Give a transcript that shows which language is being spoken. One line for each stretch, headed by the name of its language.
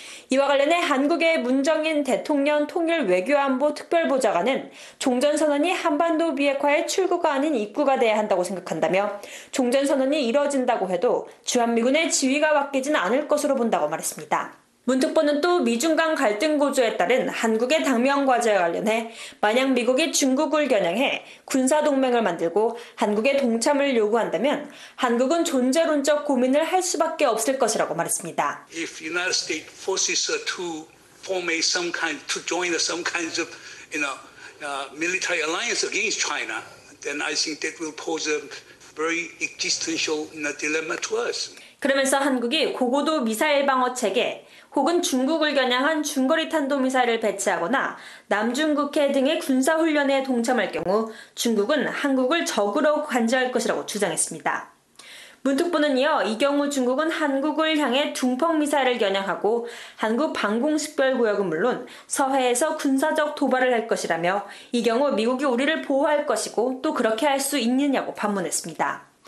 Korean: 이와 관련해 한국의 문정인 대통령 통일외교안보특별보좌관은 종전선언이 한반도 비핵화의 출구가 아닌 입구가 돼야 한다고 생각한다며 종전선언이 이뤄진다고 해도 주한미군의 지위가 바뀌진 않을 것으로 본다고 말했습니다. 문특보는 또 미중 간 갈등 고조에 따른 한국의 당면 과제와 관련해 만약 미국이 중국을 겨냥해 군사동맹을 만들고 한국의 동참을 요구한다면 한국은 존재론적 고민을 할 수밖에 없을 것이라고 말했습니다.
English: If United States forces to form a some kind to join some kinds of you know military alliance against China, then I think that will pose a very existential dilemma to us.
Korean: 그러면서 한국이 고고도 미사일 방어 체계 혹은 중국을 겨냥한 중거리 탄도미사일을 배치하거나 남중국해 등의 군사훈련에 동참할 경우 중국은 한국을 적으로 관제할 것이라고 주장했습니다. 문특보는 이어 이 경우 중국은 한국을 향해 둥펑미사일을 겨냥하고 한국 방공식별구역은 물론 서해에서 군사적 도발을 할 것이라며 이 경우 미국이 우리를 보호할 것이고 또 그렇게 할 수 있느냐고 반문했습니다.